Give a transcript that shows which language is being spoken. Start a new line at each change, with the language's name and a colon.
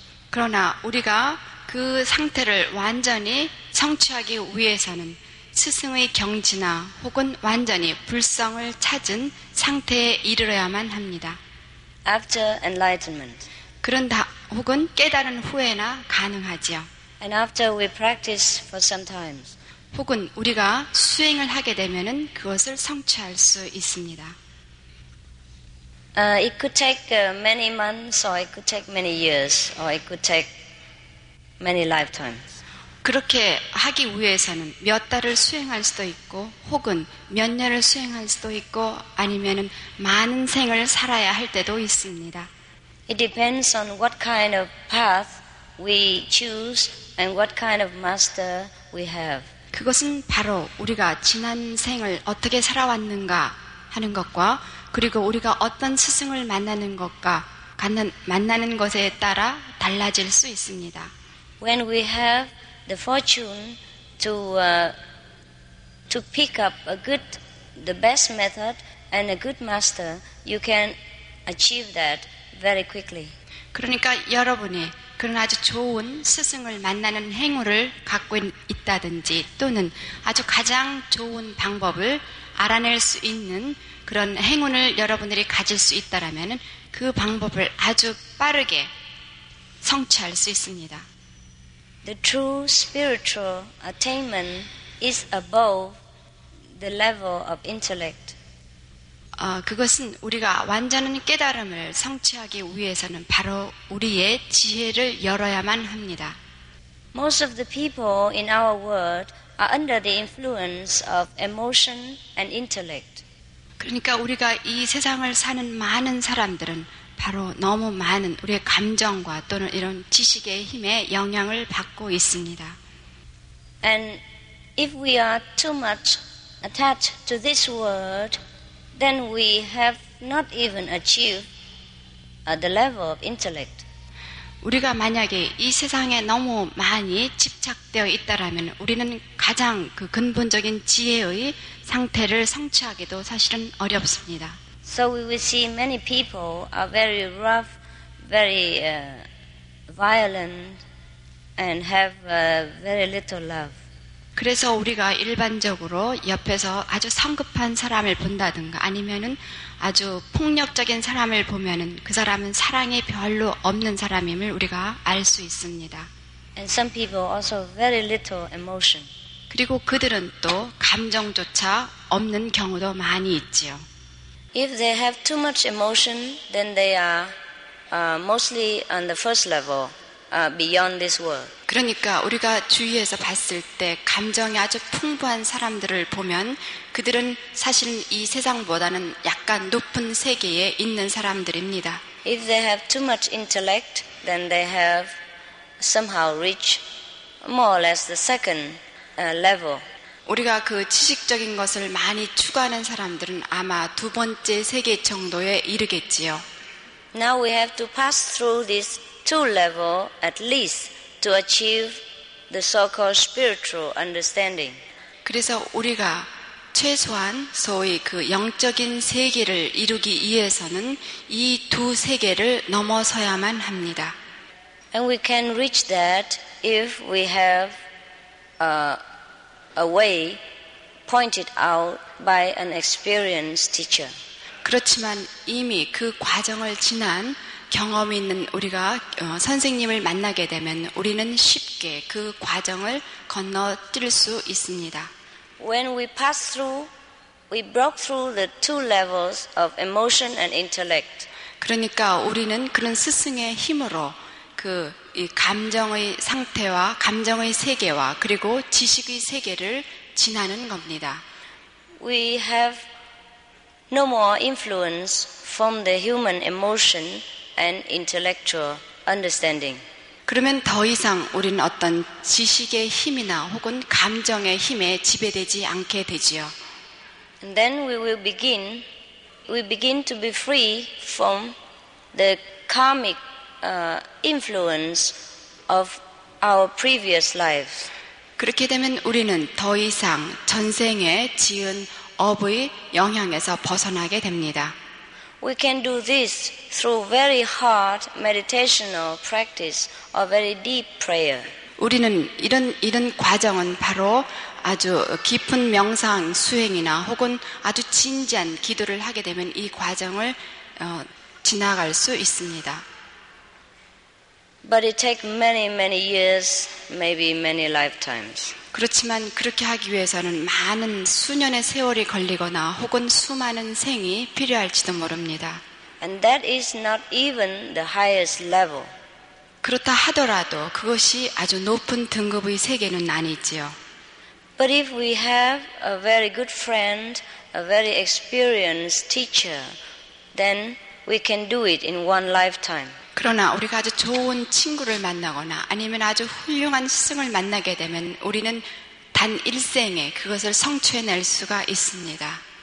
Korean: 그러나 우리가 그 상태를 완전히 성취하기 위해서는 스승의 경지나 혹은 완전히 불성을 찾은 상태에 이르러야만 합니다.
English: After enlightenment.
Korean: 그런다 혹은 깨달은 후에나 가능하지요.
English: And after we practice for some time.
Korean: 혹은 우리가 수행을 하게 되면은 그것을 성취할 수 있습니다.
English: It could take many months or it could take many years or it could take many lifetimes.
Korean: 그렇게 하기 위해서는 몇 달을 수행할 수도 있고 혹은 몇 년을 수행할 수도 있고 아니면은 많은 생을 살아야 할 때도 있습니다.
English: It depends on what kind of path we choose and what kind of master we have.
Korean: 그것은 바로 우리가 지난 생을 어떻게 살아왔는가 하는 것과 그리고 우리가 어떤 스승을 만나는 것과 만나는 것에 따라 달라질 수 있습니다.
English: When we have the fortune to pick up the best method and a good master, you can achieve that very quickly.
Korean: 그러니까 여러분이 그런 아주 좋은 스승을 만나는 행운을 갖고 있다든지 또는 아주 가장 좋은 방법을 알아낼 수 있는 그런 행운을 여러분들이 가질 수 있다라면 그 방법을 아주 빠르게 성취할 수 있습니다.
English: The true spiritual attainment is above the level of intellect.
Korean: 그것은 우리가 완전한 깨달음을 성취하기 위해서는 바로 우리의 지혜를 열어야만 합니다.
English: Most of the people in our world are under the influence of emotion and intellect.
Korean: 그러니까 우리가 이 세상을 사는 많은 사람들은 바로 너무 많은 우리의 감정과 또는 이런 지식의 힘에 영향을 받고 있습니다.
English: And if we are too much attached to this world, then we have not even achieve the level of intellect.
Korean: 우리가 만약에 이 세상에 너무 많이 집착되어 있다라면 우리는 가장 그 근본적인 지혜의 상태를 성취하기도 사실은 어렵습니다.
English: So we will see many people are very rough, very violent, and have very little love.
Korean: 그래서 우리가 일반적으로 옆에서 아주 성급한 사람을 본다든가 아니면은 아주 폭력적인 사람을 보면은 그 사람은 사랑이 별로 없는 사람임을 우리가 알 수 있습니다.
English: And some people also very little emotion.
Korean: 그리고 그들은 또 감정조차 없는 경우도 많이 있지요.
English: If they have too much emotion, then they are mostly on the first level. Beyond this world.
Korean: 그러니까 우리가 주위에서 봤을 때 감정이 아주 풍부한 사람들을 보면 그들은 사실 이 세상보다는 약간 높은 세계에 있는 사람들입니다.
English: If they have too much intellect, then they have somehow reached more or less the second level.
Korean: 우리가 그 지식적인 것을 많이 추구하는 사람들은 아마 두 번째 세계 정도에 이르겠지요.
English: Now we have to pass through this two level at least to achieve the so-called spiritual understanding.
Korean: 그래서 우리가 최소한 소위 그 영적인 세계를 이루기 위해서는 이 두 세계를 넘어서야만 합니다.
English: And we can reach that if we have a way pointed out by an experienced teacher.
Korean: 그렇지만 이미 그 과정을 지난 경험이 있는 우리가 선생님을 만나게 되면 우리는 쉽게 그 과정을 건너뛸 수 있습니다.
English: When we pass through, we broke through the two levels of emotion and intellect.
Korean: 그러니까 우리는 그런 스승의 힘으로 그 이 감정의 상태와 감정의 세계와 그리고 지식의 세계를 지나는 겁니다.
English: We have no more influence from the human emotion. And intellectual understanding.
Korean: 그러면 더 이상 우리는 어떤 지식의 힘이나 혹은 감정의 힘에 지배되지 않게 되지요.
English: And then we begin to be free from the karmic influence of our previous lives.
Korean: 그렇게 되면 우리는 더 이상 전생에 지은 업의 영향에서 벗어나게 됩니다.
English: We can do this through very hard meditational practice or very deep prayer.
Korean: 우리는 이런 과정은 바로 아주 깊은 명상 수행이나 혹은 아주 진지한 기도를 하게 되면 이 과정을 지나갈 수 있습니다.
English: But it takes many years, maybe many lifetimes.
Korean: 그렇지만 그렇게 하기 위해서는 많은 수년의 세월이 걸리거나 혹은 수많은 생이 필요할지도 모릅니다.
English: And that is not even the highest level.
Korean: 그렇다 하더라도 그것이 아주 높은 등급의 세계는 아니지요.
English: But if we have a very good friend, a very experienced teacher, then we can do it in one lifetime.
Korean: 그러나 우리가 아주 좋은 친구를 만나거나 아니면 아주 훌륭한 스승을 만나게 되면 우리는 단 일생에 그것을 성취해낼 수가 있습니다.